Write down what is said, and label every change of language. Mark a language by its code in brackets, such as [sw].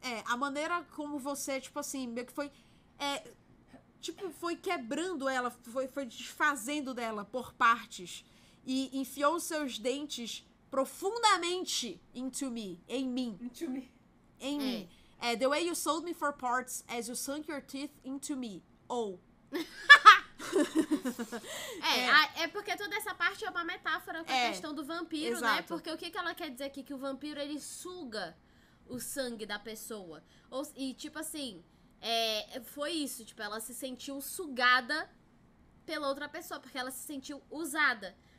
[pt] A maneira como você, tipo assim, meio que foi... Tipo, foi quebrando ela, foi desfazendo dela por partes. E enfiou seus dentes profundamente [en] into me, [pt] em mim. [en] Into me. [pt] Em mim. [en] The way you sold me for parts as you sunk your teeth into me. Ou. [pt] É porque toda essa parte é uma metáfora com a questão do vampiro, exato, né? Porque o que ela quer dizer aqui? Que o vampiro, ele suga o sangue da pessoa. E tipo assim... foi isso, tipo, ela se sentiu sugada pela outra pessoa, porque ela se sentiu usada.